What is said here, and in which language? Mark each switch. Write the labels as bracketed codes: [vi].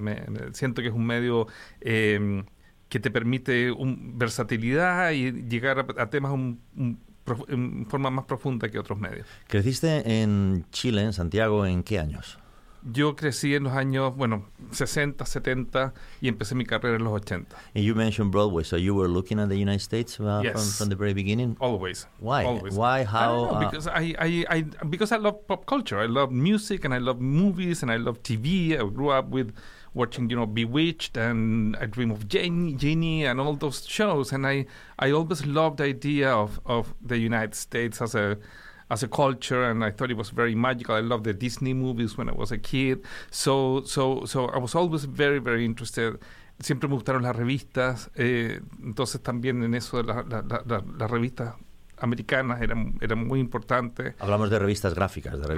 [es] Me siento que es un medio que te permite versatilidad y llegar a temas en forma más profunda que otros medios. ¿Creciste en Chile, en Santiago, en qué años? Yo crecí en los años, 60, 70, y empecé mi carrera en los 80. [en] Y you mentioned Broadway, so you were looking at the United States from the very beginning? Always. Why? Always. Why? How? I don't know, because I love pop culture. I love music, and I love movies, and I love TV. I grew up with watching, Bewitched and I Dream of Jeannie and all those shows. And I always loved the idea of the United States as a culture, and I thought it was very magical. I loved the Disney movies when I was a kid. So I was always very, very interested. [es] Siempre me gustaron las revistas. Entonces también en eso de la revista americanas era muy importante. Hablamos de revistas gráficas.